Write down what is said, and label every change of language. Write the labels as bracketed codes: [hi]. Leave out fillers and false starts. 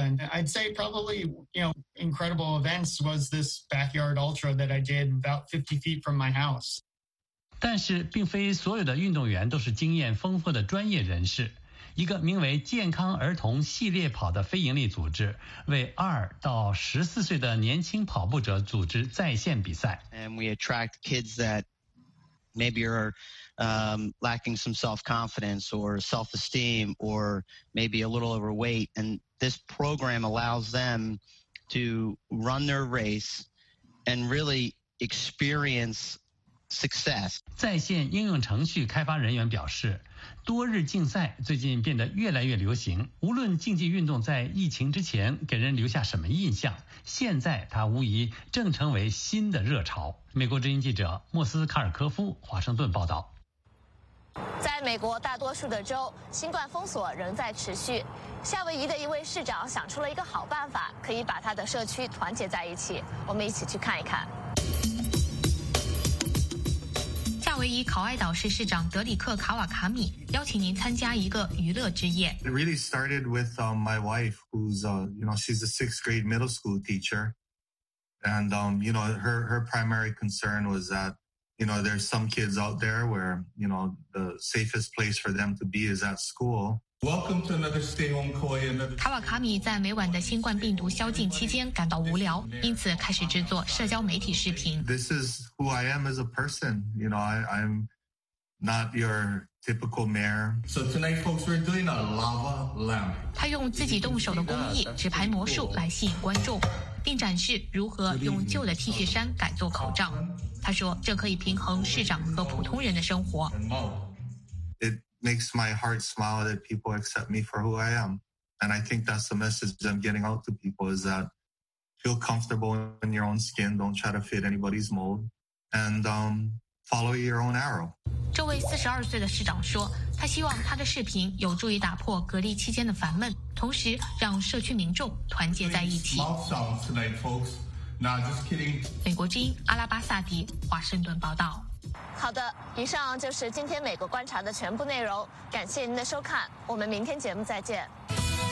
[en] And I'd say probably, you know, incredible events was this backyard ultra that I did about 50 feet from my house. [zh] 但是并非所有的运动员都是经验丰富的专业人士。一个名为健康儿童系列跑的非营利组织为2到14岁的年轻跑步者组织在线比赛。 [en] And we attract kids that maybe are lacking some self-confidence or self-esteem or maybe a little overweight. And this program allows them to run their race and really experience success. [zh] 在线应用程序开发人员表示，多日竞赛最近变得越来越流行，无论竞技运动在疫情之前给人留下什么印象，现在它无疑正成为新的热潮。美国之音记者莫斯卡尔科夫华盛顿报道。在美国大多数的州，新冠封锁仍在持续，夏威夷的一位市长想出了一个好办法，可以把他的社区团结在一起，我们一起去看一看。夏威夷考爱岛市市长德里克·卡瓦卡米邀请您参加一个娱乐之夜。 [en] It really started with my wife, who's she's a sixth grade middle school teacher, and her primary concern was that there's some kids out there where the safest place for them to be is at school. Welcome to another stay home koi. [zh] 卡瓦卡米在每晚的新冠病毒宵禁期间感到无聊，因此开始制作社交媒体视频。 [en] This is who I am as a person. I'm not your typical mayor. So tonight, folks, we're doing a lava lamp. [zh] 他用自己动手的工艺纸牌魔术来吸引观众，并展示如何用旧的 T 恤衫改做口罩。他说，这可以平衡市长和普通人的生活。 [en] Makes my heart smile that people accept me for who I am. And I think that's the message I'm getting out to people is that feel comfortable in your own skin, don't try to fit anybody's mold, and follow your own arrow. [zh] 这位42岁的市长说，他希望他的视频有助于打破隔离期间的烦闷，同时让社区民众团结在一起。 [en] Mouth sounds tonight, folks. Nah, just kidding. [zh] 美国之音阿拉巴萨迪华盛顿报道。好的，以上就是今天美国观察的全部内容，感谢您的收看，我们明天节目再见。